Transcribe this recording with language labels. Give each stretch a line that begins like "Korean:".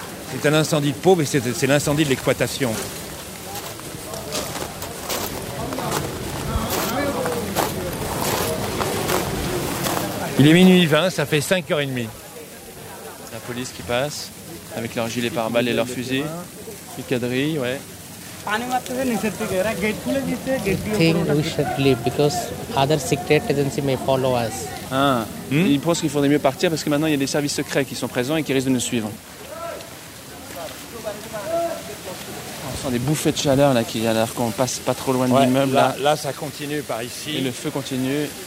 French: C'est un incendie de pauvre et c'est l'incendie de l'exploitation. Il est 20h, ça fait 5h30. La police qui passe, avec leurs gilets pare-balles et leurs fusils. Les quadrilles, ouais.
English: I think we should leave because other secret agency may follow us.
French: Il pense qu'il faudrait mieux partir parce que maintenant il y a des services secrets qui sont présents et qui risquent de nous suivre. On sent des bouffées de chaleur là qui alors qu'on passe pas trop loin de l'immeuble. Là ça continue par ici. Et le feu continue.